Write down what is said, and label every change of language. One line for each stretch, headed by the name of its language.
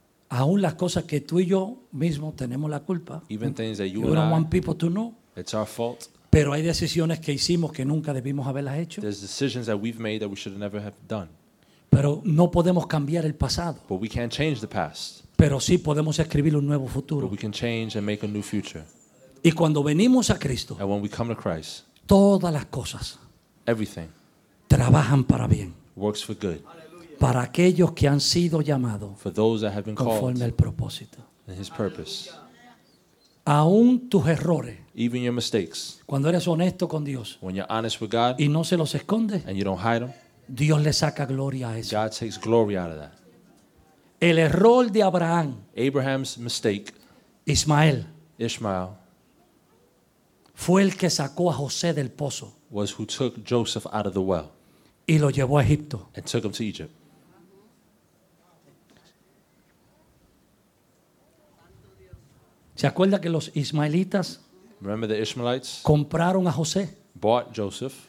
Spanish: Aún las cosas que tú y yo mismo tenemos la culpa.
English: Even things that you we don't want people to know. It's our fault.
Spanish: Pero hay decisiones que hicimos que nunca debimos haberlas hecho.
English: There's decisions that we've made that we should never have done.
Spanish: Pero no podemos cambiar el pasado.
English: But we can't change the past.
Spanish: Pero sí podemos escribir un nuevo futuro.
English: But we can change and make a new future.
Spanish: Y cuando venimos a Cristo.
English: And when we come to Christ.
Spanish: Todas las cosas.
English: Everything.
Spanish: Trabajan para bien.
English: Works for good.
Spanish: Para aquellos que han sido llamados conforme al propósito.
English: And his purpose.
Spanish: Aún tus errores.
English: Even your mistakes.
Spanish: Cuando eres honesto con Dios.
English: When you're honest with God.
Spanish: Y no se los escondes.
English: And you don't hide them.
Spanish: Dios le saca gloria a eso.
English: God takes glory out of that.
Spanish: El error de Abraham.
English: Abraham's mistake.
Spanish: Ismael.
English: Ishmael.
Spanish: Fue el que sacó a José del pozo.
English: Was who took Joseph out of the well.
Spanish: Y lo llevó a Egipto.
English: And took him to Egypt.
Spanish: ¿Se acuerda que los ismaelitas
English: Remember the Ishmaelites
Spanish: compraron a José?
English: Bought Joseph